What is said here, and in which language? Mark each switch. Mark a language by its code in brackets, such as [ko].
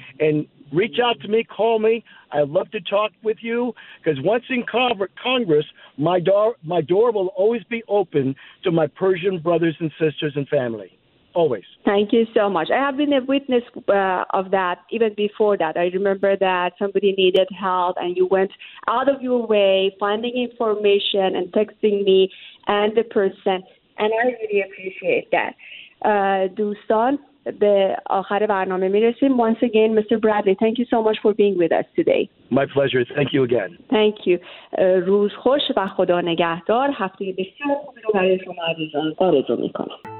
[en] And reach out to me, call me. I'd love to talk with you, because once in Congress, my door will always be open to my Persian brothers and sisters and family. Always. Thank you so much. I have been a witness of that even before that. I remember that somebody needed help and you went out of your way finding information and texting me and the person. And I really appreciate that. [fa] دوستان به آخر برنامه میرسیم. [en] Once again, Mr. Bradley, thank you so much for being with us today. My pleasure. Thank you again. Thank you. [fa] روز خوش و خدا نگهدار. هفته بسیار خوبی رو برای شما عزیزان آرزو میکنم.